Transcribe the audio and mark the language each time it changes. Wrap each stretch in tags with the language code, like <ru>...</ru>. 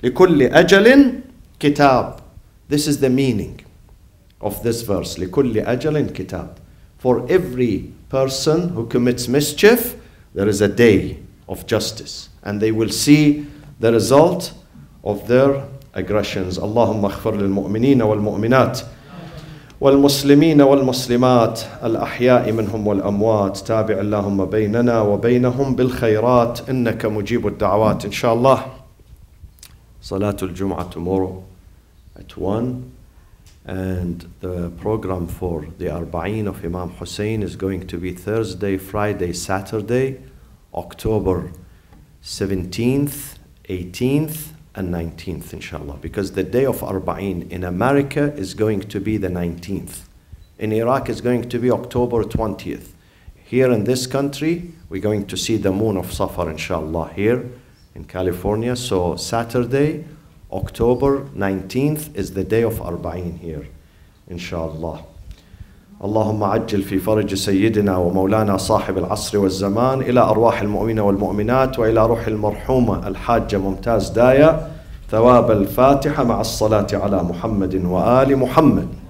<ar>لِكُلِّ أَجَلٍ كِتَابٍ.</ar> <en>This is the meaning of this verse.</en> <ar>لِكُلِّ أَجَلٍ كِتَابٍ.</ar> <en>For every person who commits mischief, there is a day of justice. And they will see the result of their aggressions.</en> <ar>Allahumma اغفر للمؤمنين والمؤمنات. والمسلمين والمسلمات الأحياء منهم والأموات تابع اللهم بيننا وبينهم بالخيرات إنك مجيب الدعوات إن شاء الله</ar> <en>صلاة الجمعة tomorrow at 1 and the program for the 40 of Imam Hussein is going to be Thursday, Friday, Saturday, October 17th, 18th and 19th, inshallah, because the day of Arba'een in America is going to be the 19th. In Iraq, it's going to be October 20th. Here in this country, we're going to see the moon of Safar, inshallah, here in California. So Saturday, October 19th, is the day of Arba'een here, inshallah.</en> <ar>اللهم عجل في فرج سيدنا ومولانا صاحب العصر والزمان إلى أرواح المؤمنين والمؤمنات وإلى روح المرحومة الحاجة ممتاز داية ثواب الفاتحة مع الصلاة على محمد وآل محمد</ar>